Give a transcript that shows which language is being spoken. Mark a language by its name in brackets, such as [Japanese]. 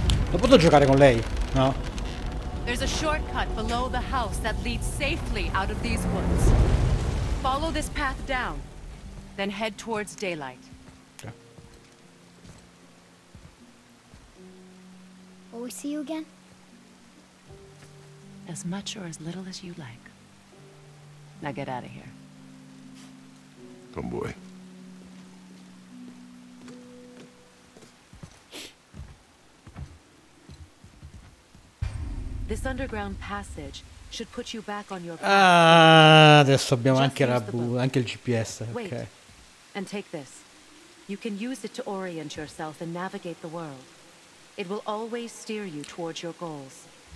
[Italian] Non posso giocare con lei, no? [English] There's a shortcut below the house that leads safely out of these woods. Follow this path down, then head towards daylight. Okay. Will we see you again? As much or as little as you like. Now get out of here. Come boy. This underground passage should put you back on your path. [Italian] Ah, adesso abbiamo anche la anche il GPS, ok. [English] Wait, and take this. You can use it to orient yourself and navigate the world. It will always steer you towards your goals.